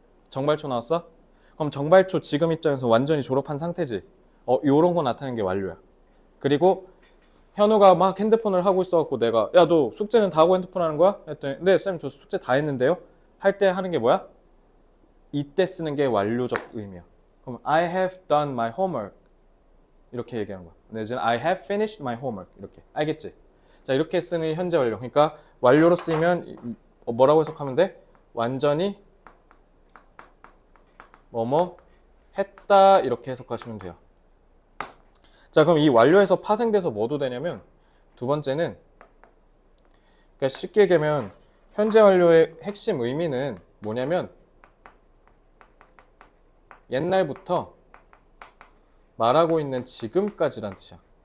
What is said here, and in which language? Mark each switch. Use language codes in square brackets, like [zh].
[ko] 정발초 나왔어? 그럼 정발초 지금 입장에서 완전히 졸업한 상태지? 요런 거 나타내는 게 완료야. 그리고 현우가 막 핸드폰을 하고 있어갖고 내가, 야, 너 숙제는 다 하고 핸드폰 하는 거야? 했더니, 네, 쌤, 저 숙제 다 했는데요? 할때 하는 게 뭐야? 이때 쓰는 게 완료적 의미야. [en] 그럼 I have done my homework. [ko] 이렇게 얘기하는 거야. 내지는 [en] I have finished my homework. [ko] 이렇게. 알겠지? 자, 이렇게 쓰는 현재 완료. 그러니까 완료로 쓰이면 뭐라고 해석하면 돼? 완전히 뭐뭐 했다. 이렇게 해석하시면 돼요. 자, 그럼 이 완료에서 파생돼서 뭐도 되냐면, 두 번째는, 그러니까 쉽게 얘기하면 현재 완료의 핵심 의미는 뭐냐면, 옛날부터 말하고 있는 지금까지란 뜻이야.